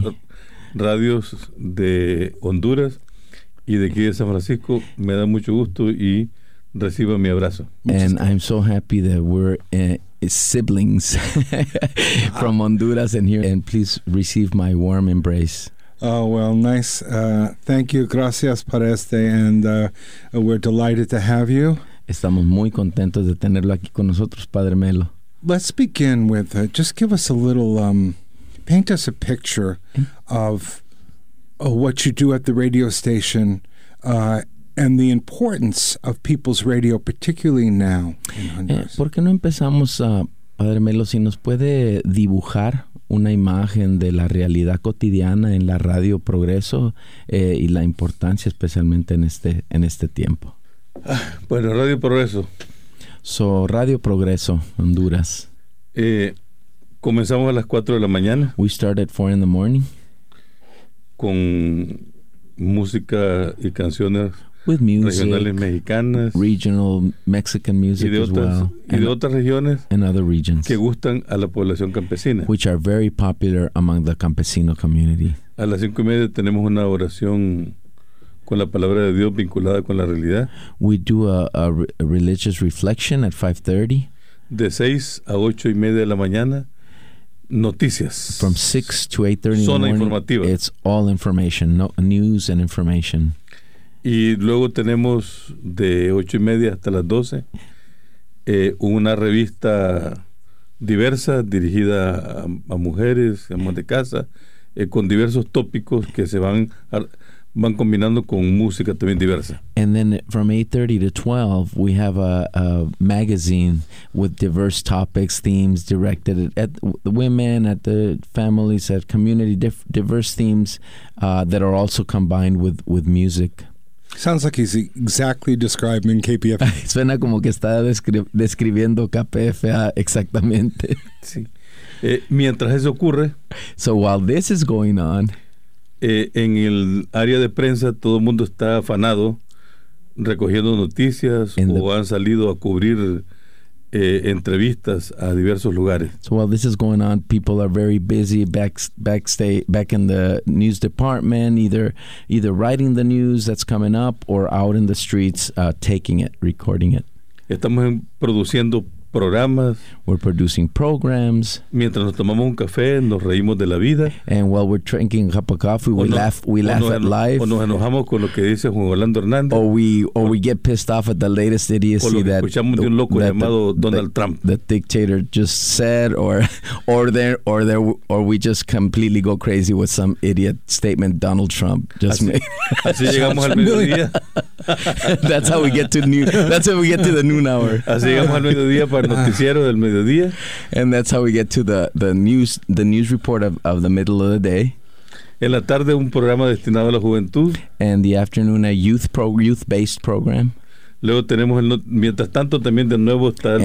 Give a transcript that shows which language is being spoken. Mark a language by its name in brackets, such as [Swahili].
[Spanish] Dos radios de Honduras y de aquí de San Francisco, me da mucho gusto y reciba mi abrazo. [English] And I'm so happy that we're siblings from Honduras and here. And please receive my warm embrace. Oh, well, nice. Thank you. [Spanish] Gracias por este. [English] And we're delighted to have you. [Spanish] Estamos muy contentos de tenerlo aquí con nosotros, Padre Melo. [English] Let's begin with, just give us a little, paint us a picture of what you do at the radio station and the importance of people's radio, particularly now in Honduras. [Spanish] ¿Por qué no empezamos, Padre Melo, si nos puede dibujar una imagen de la realidad cotidiana en la radio Progreso y la importancia especialmente en este tiempo? Bueno, Radio Progreso. [English] So, Radio Progreso, Honduras. [Spanish] Comenzamos a las 4 de la mañana. [English] We start at 4 in the morning. [Spanish] Con música y canciones [English] with music, [Spanish] regionales mexicanas. [English] Regional Mexican music [Spanish] y otras, [English] as well. [Spanish] Y de otras regiones. [English] And other regions. [Spanish] Que gustan a la población campesina. [English] Which are very popular among the campesino community. [Spanish] A las 5 y media tenemos una oración con la palabra de Dios vinculada con la realidad. [English] We do a religious reflection at 5:30. [Spanish] De 6 a 8 y media de la mañana, noticias. [English] From 6 to 8:30 [Spanish] zona [English] in the morning, [Spanish] informativa. [English] It's all information, no, news and information. [Spanish] Y luego tenemos de 8 y media hasta las 12 una revista diversa dirigida a mujeres, amas de casa, con diversos tópicos que se van a van combinando con música también diversa. [English] And then from 8:30 to 12, we have a magazine with diverse topics, themes directed at the women, at the families, at community, diverse themes that are also combined with music. Sounds like he's exactly describing KPFA. [Spanish] Suena como que está describiendo KPFA exactamente. Sí. Mientras eso ocurre. [English] So while this is going on. [Spanish] En el área de prensa todo el mundo está afanado recogiendo noticias o han salido a cubrir entrevistas a diversos lugares. [English] So while this is going on, people are very busy back in the news department, either writing the news that's coming up or out in the streets taking it, recording it. [Spanish] Estamos produciendo programas. [English] We're producing programs. [Spanish] Mientras nos tomamos un café, nos reímos de la vida. [English] And while we're drinking a cup of coffee, we laugh at life. [Spanish] O nos enojamos con lo que dice Juan Orlando Hernández. [English] Or we get pissed off at the latest idiocy that [Spanish] escuchamos de un loco llamado Donald Trump. [English] The dictator just said, or we just completely go crazy with some idiot statement Donald Trump just made. [Spanish] Así llegamos al mediodía. [English] That's how we get to noon. That's how we get to the noon hour. [Spanish] Así llegamos al mediodía para el noticiero del mediodía. [English] And that's how we get to the news report of the middle of the day. [Spanish] En la tarde un programa destinado a la juventud. [English] And the afternoon a youth-based program. [Spanish] Luego tenemos mientras tanto también de nuevo está.